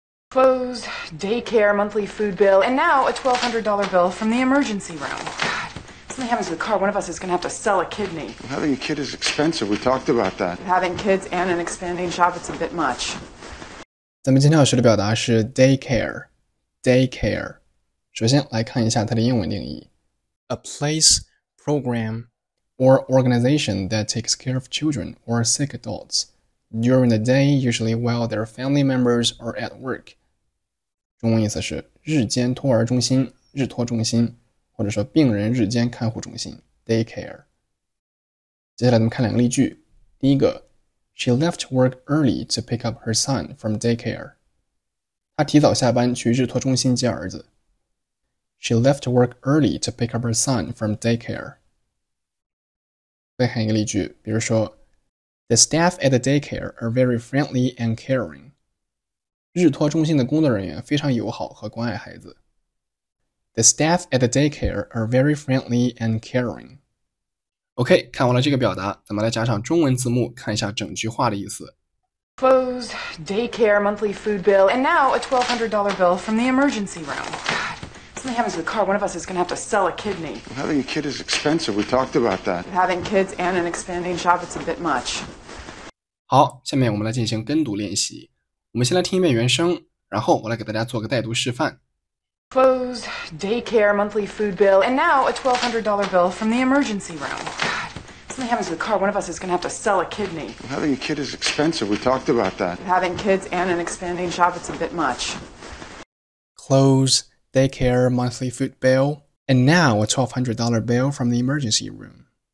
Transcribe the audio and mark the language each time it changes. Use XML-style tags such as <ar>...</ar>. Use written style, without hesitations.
<en>Clothes, daycare, monthly food bill, and now a $1,200 bill from the emergency room. If something happens to the car, one of us is going to have to sell a kidney. Well, having a kid is expensive. We talked about that. Having kids and an expanding shop, it's a bit much.</en> <zh>咱们今天要学的表达是 daycare, daycare. 首先来看一下它的英文定义。</zh> <en>A place, program, or organization that takes care of children or sick adults during the day, usually while their family members are at work.</en> <zh>中文意思是日间托儿中心、日托中心。或者说病人日间看护中心 daycare。接下来咱们看两个例句。第一个，</zh> <en>She left work early to pick up her son from daycare。</en> <zh>她提早下班去日托中心接儿子。</zh> <en>She left work early to pick up her son from daycare。</en> <zh>再看一个例句，比如说</zh> <en>The staff at the daycare are very friendly and caring。</en> <zh>日托中心的工作人员非常友好和关爱孩子。</zh> <en>The staff at the daycare are very friendly and caring.</en> <zh>OK, 看完了这个表达，咱们来加上中文字幕，看一下整句话的意思。</zh> <en>Clothes, daycare, monthly food bill, and now a $1,200 bill from the emergency room. God, if something happens to the car, one of us is going to have to sell a kidney. Well, having a kid is expensive. We talked about that. Having kids and an expanding shop, it's a bit much.</en> <zh>好，下面我们来进行跟读练习。我们先来听一遍原声，然后我来给大家做个带读示范。</zh> <en>Clothes, daycare, monthly food bill, and now a $1,200 bill from the emergency room. God, if something happens to the car, one of us is going to have to sell a kidney. Well, having a kid is expensive. We talked about that. Having kids and an expanding shop, it's a bit much. Clothes, daycare, monthly food bill, and now a $1,200 bill from the emergency room.</en>